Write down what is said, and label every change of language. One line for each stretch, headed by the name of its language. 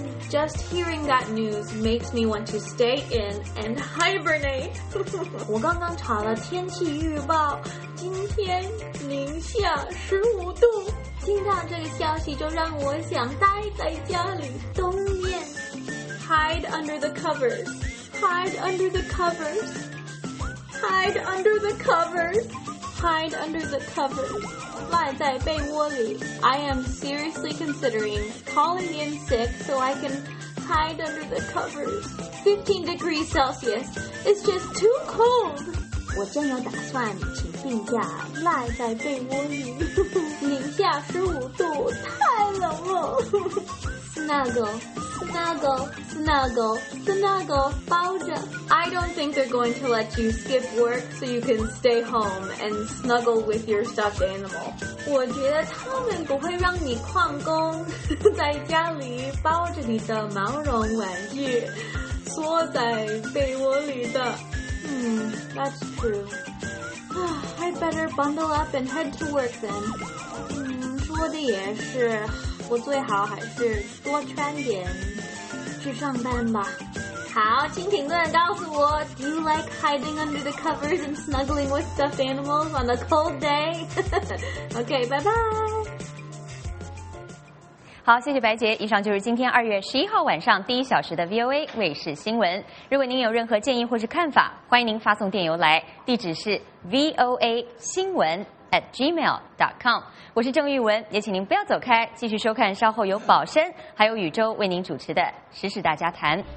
English: Just hearing that news makes me want to stay in and hibernate.
Chinese: 我刚刚查了天气预报，今天-15度，听到这个消息就让我想待在家里冬眠。
English: Hide under the covers. Hide under the covers. Hide under the covers. Hide under the covers.
Chinese: 赖在被窝里。
English: I am seriously considering calling in sick so I can hide under the covers. 15 degrees Celsius. It's just too cold.
Chinese: 我真有打算病假赖在被窝里，-15度太冷了。 snuggle 抱着。
English: I don't think they're going to let you skip work so you can stay home and snuggle with your stuffed animal.
Chinese: 我觉得他们不会让你旷工，在家里抱着你的毛绒玩具，缩在被窝里的。
English: That's true. I'd better bundle up and head to work then.
Chinese: 说的也是，我最好还是多穿点去上班吧。好，请评论告诉我
English: ，Do you like hiding under the covers and snuggling with stuffed animals on a cold day? OK, bye bye.
Chinese: 好，谢谢白杰。以上就是今天2月11号晚上第一小时的 VOA 卫视新闻。如果您有任何建议或是看法，欢迎您发送电邮来，地址是 voa.gmail.com。我是郑玉文，也请您不要走开，继续收看稍后由宝生还有宇宙为您主持的《时事大家谈》。